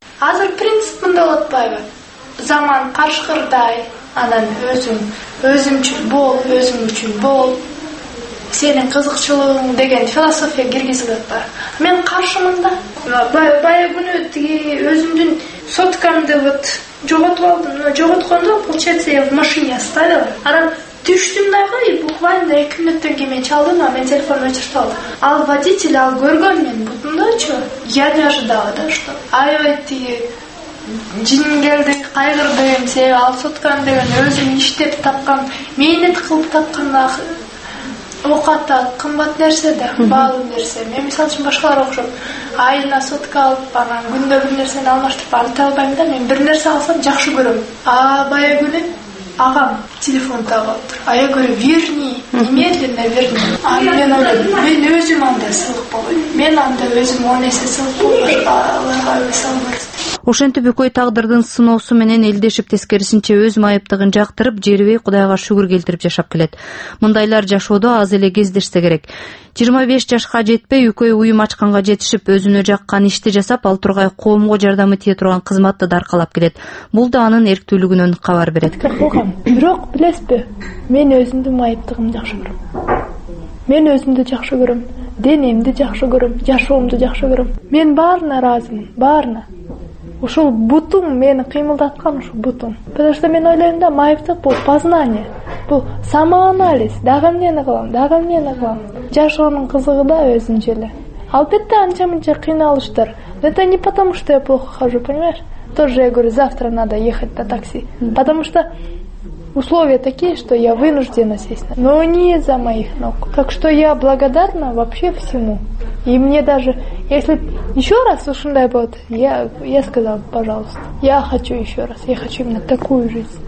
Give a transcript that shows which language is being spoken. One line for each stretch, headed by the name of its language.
Kyrgyz: Азыр принцип мындай болот байбы? Заман каршыкырдай, анан өзүм, өзүмчүл бол, өзүмчүл бол. Сенин кызыкчылыгың деген философия киргизип атпайбы? Мен каршымын да. Баягыны тиги өзүмдүн соткамды вот жоготуп алдым. Мына жоготкондо
Russian: получается я в машине оставил.
Kyrgyz: Анан түштүм дагы
Russian: и буквально
Kyrgyz: 2 мүнөттөн кийин мен чалдым, мен телефонду өчүрүп алдым. Ал водитель ал көргөн мен бутумдачы.
Russian: Я не ожидала да что.
Kyrgyz: Аябай тиги жиним келди, кайгырдым, себеби ал соткан деген өзүн иштеп тапкан, мээнет кылып тапкан оокатта кымбат нерсе да, баалуу нерсе. Мен мисалы үчүн башкаларга окшоп айына сотка алып, анан күндө бир нерсени алмаштырып анте албайм да, мен бир нерсе алсам жакшы көрөм. А баягыны агам телефон таап алыптыр,
Russian: а я говорю верни, немедленно верни.
Kyrgyz: Мен ойлодум, мен өзүм андай сылык болоюн, мен андай өзүм он эсе сылык болоюн. Ошентип өкөй тагдырдын сыноосу менен элдешип, тескерисинче өз майыптыгын жактырып, жербей Кудайга шүгүр келтирип жашап келет. Мындайлар жашоодо аз эле кездешсе керек. 25 жашка жетпей, өкөй уюм ачканга жетишип, өзүнө жаккан ишти жасап, ал тургай коомго жардамы тие турган кызматты даркалап келет. Бул да анын эрктүүлүгүнөн кабар берет. Бирок билесизби, мен өзүмдүн майыптыгымды жакшы көрөм. Мен өзүмдү жакшы көрөм, денемди жакшы көрөм, жашоомду жакшы көрөм. Мен баарына ыраазымын, баарына. Ушул бутум мени кыймылдаткан, ушул бутум.
Russian: Потому что
Kyrgyz: мен ойлойм да, майыптык бул познание. Бул самоанализ. Дагы эмнени кылам, дагы эмнени кылам. Жашоонун кызыгы да өзүнчө эле. Албетте анча мынча кыйналыштар.
Russian: Это не потому что я плохо хожу, понимаешь? Тоже я говорю, завтра надо ехать на такси. Потому что условия такие, что я вынуждена сесть. Но не из-за моих ног. Так что я благодарна вообще всему. И мне даже, если еще раз
Kyrgyz: ушундай болот,
Russian: я сказала, пожалуйста, я хочу еще раз, я хочу именно такую жизнь.